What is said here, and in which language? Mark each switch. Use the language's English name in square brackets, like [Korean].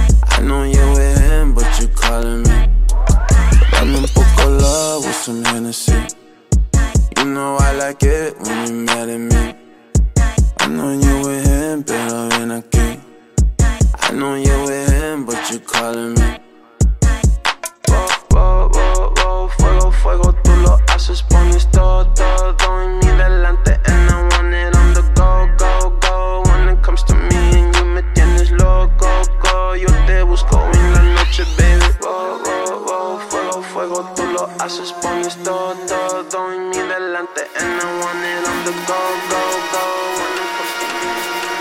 [English] I know you're with him, but you're calling me. [Spanish] Dame un poco [English] love with some Hennessy. You know I like it when you're mad at me. I know you're with him, [Spanish] pero ven aquí. [English] I know you're with him, but you're calling me. [Spanish] Wow, wow, wow, wow, fuego, fuego, tú lo haces, pones todo, todo en mi delante. [English] And I want it on the go, go, go. When it comes to me and you [Spanish] me tienes loco, [English] go. [Spanish] Yo te busco en la noche, baby. Wow, wow, wow, fuego, fuego, tú lo haces, pones todo, todo. [English] And I want it on the go, go, go. When it comes to me.